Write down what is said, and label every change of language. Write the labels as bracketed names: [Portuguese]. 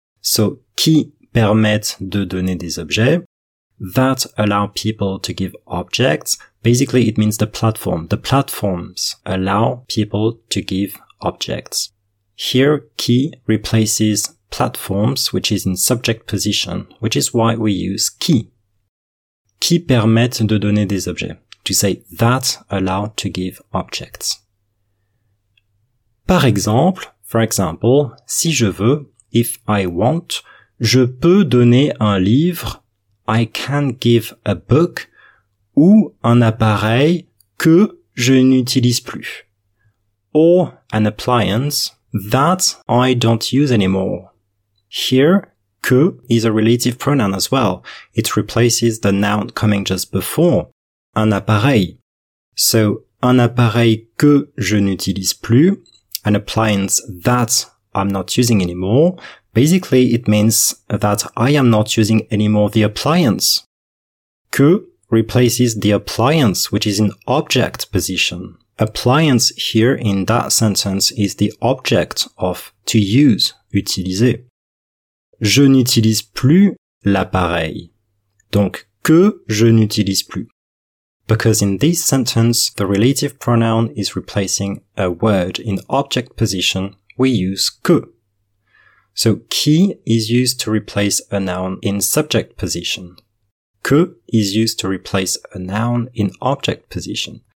[English] So, [French] qui permettent de donner des objets, [English] that allow people to give objects. Basically, it means the platform. The platforms allow people to give objects. Here, qui replaces platforms, which is in subject position, which is why we use qui. [French] Qui permettent de donner des objets. [English] To say that allow to give objects. [French] Par exemple, [English] for example, [French] si je veux, [English] if I want, [French] je peux donner un livre, [English] I can give a book, [French] ou un appareil que je n'utilise plus. [English] Or an appliance that I don't use anymore. Here, que is a relative pronoun as well. It replaces the noun coming just before, un appareil. So, [French] un appareil que je n'utilise plus, [English] an appliance that I'm not using anymore. Basically, it means that I am not using anymore the appliance. Que replaces the appliance, which is in object position. Appliance here in that sentence is the object of to use, utiliser. [French] Je n'utilise plus l'appareil. Donc, que je n'utilise plus. [English] Because in this sentence, the relative pronoun is replacing a word in object position, we use que. So, qui is used to replace a noun in subject position. Que is used to replace a noun in object position.